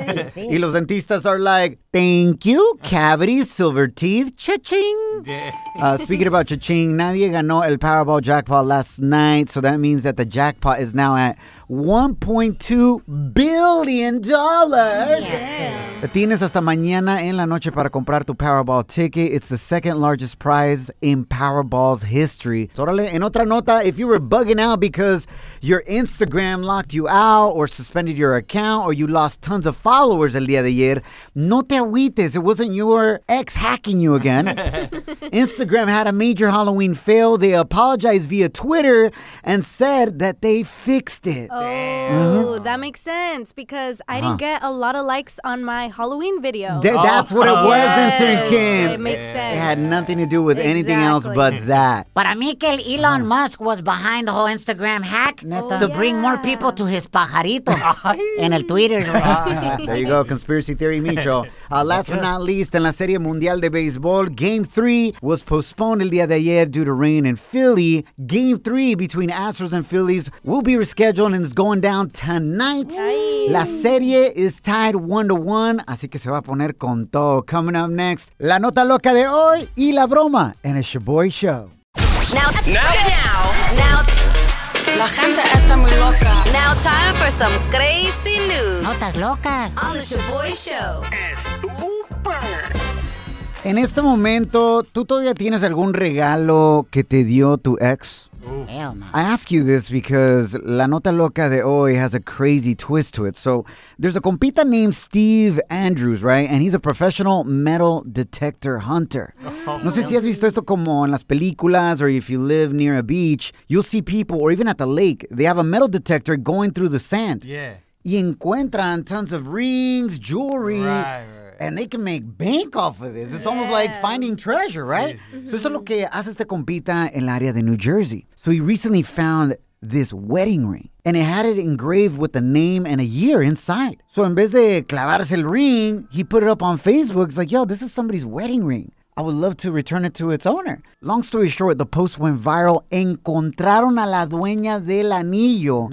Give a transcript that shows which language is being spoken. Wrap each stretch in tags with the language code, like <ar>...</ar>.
<es>Sí. Y los dentistas</es> <en>are like, thank you, cavities, silver teeth, cha-ching. Speaking about cha-ching,</en> <es>nadie ganó el</es> <en>Powerball jackpot last night. So that means that the jackpot is now at $1.2 billion. Yeah.</en> <es>Tienes hasta mañana en la noche para comprar tu Powerball ticket.</es> <en>It's the second largest prize in Powerball's history.</en> <es>Órale, en otra nota,</es> <en>if you were bugging out because your Instagram locked you out or suspended your account or you lost tons of followers</en> <es>el día de ayer, no te agüites.</es> <en>It wasn't your ex hacking you again. Instagram had a major Halloween fail. They apologized via Twitter and said that they fixed it. Oh, that makes sense because I didn't get a lot of likes on my Halloween video. That's what it was, intern Kim. It makes sense. It had nothing to do with anything else but that.</en> <es>Para mí que</es> <en>Elon Musk was behind the whole Instagram hack bring more people to his</en> <es>pajarito en el</es> <en>Twitter. There you go, conspiracy theory, Micho. Last but not least,</en> <es>en la Serie Mundial de Baseball,</es> <en>Game 3 was postponed</en> <es>el día de ayer</es> <en>due to rain in Philly. Game 3 between Astros and Phillies will be rescheduled and it's going down tonight. Yay.</en> <es>La serie</es> <en>is tied 1-1,</en> <es>así que se va a poner con todo.</es> <en>Coming up next,</en> <es>la nota loca de hoy y la broma,</es> <en>and it's your boy show. Now.</en> <es>La gente está muy loca.</es> <en>Now time for some crazy news.</en> <es>Notas locas.</es> <en>On the Shaboy Show.</en> <es>Estúpido. En este momento, ¿tú todavía tienes algún regalo que te dio tu ex?</es> <en>Hell no. I ask you this because La Nota Loca de Hoy has a crazy twist to it. So there's a compita named Steve Andrews, right? And he's a professional metal detector hunter.</en> <es>No sé si has visto esto como en las películas</es> <en>or if you live near a beach, you'll see people or even at the lake, they have a metal detector going through the sand. Yeah.</en> <es>Y encuentran</es> <en>tons of rings, jewelry. Right. And they can make bank off of this. It's almost like finding treasure, right?</en> <es>Sí, sí, sí. So, eso es lo que hace este compita en el área de New Jersey.</es> <en>So, he recently found this wedding ring. And it had it engraved with a name and a year inside. So,</en> <es>en vez de clavarse el ring,</es> <en>he put it up on Facebook. It's like, yo, this is somebody's wedding ring. I would love to return it to its owner. Long story short, the post went viral.</en> <es>Encontraron a la dueña del anillo.</es>